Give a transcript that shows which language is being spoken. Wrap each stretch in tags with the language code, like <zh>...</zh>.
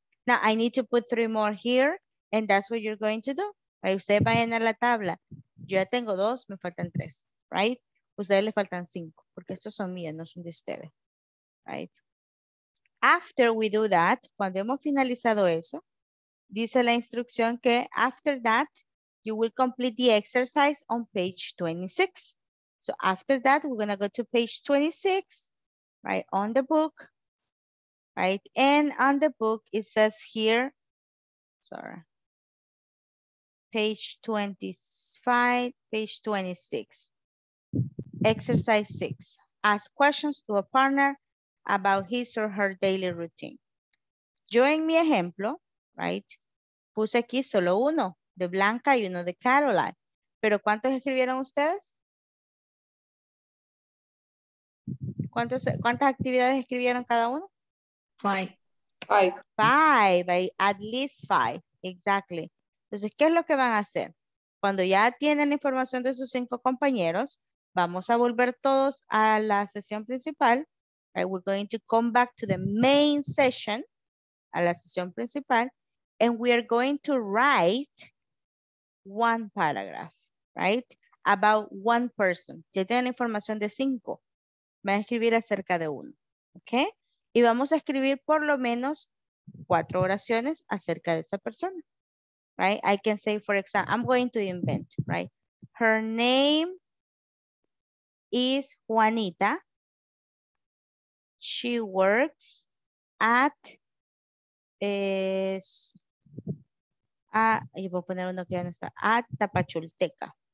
<en>Now, I need to put three more here, and that's what you're going to do.</en> <es>Right? Ustedes vayan a la tabla. Yo ya tengo dos, me faltan tres. Right? Ustedes le faltan cinco, porque estos son míos, no son de ustedes.</es> <en>Right? After we do that,</en> <es>cuando hemos finalizado eso, dice la instrucción que</es> <en>after that, you will complete the exercise on page 26. So after that, we're going to go to page 26, right, on the book. Right, and on the book, it says here, sorry, page 25, page 26, exercise 6. Ask questions to a partner about his or her daily routine.</en> <es>Yo en mi ejemplo, right, puse aquí solo uno, de Blanca y uno de Caroline. ¿Pero cuántos escribieron ustedes? ¿Cuántas actividades escribieron cada uno?</es> <en>Five. At least five. Exactly.</en> <es>Entonces, ¿qué es lo que van a hacer? Cuando ya tienen la información de sus cinco compañeros, vamos a volver todos a la sesión principal.</es> <en>Right? We're going to come back to the main session,</en> <es>a la sesión principal,</es> <en>and we are going to write one paragraph, right? About one person.</en> <es>Ya tienen la información de cinco. Van a escribir acerca de uno. Okay? Y vamos a escribir por lo menos cuatro oraciones acerca de esa persona, right?</es> <en>I can say, for example, I'm going to invent, right? Her name is Juanita. She works at,</en> <es>yo voy a poner uno que ya no está,</es> <en>at Tapachulteca.</en>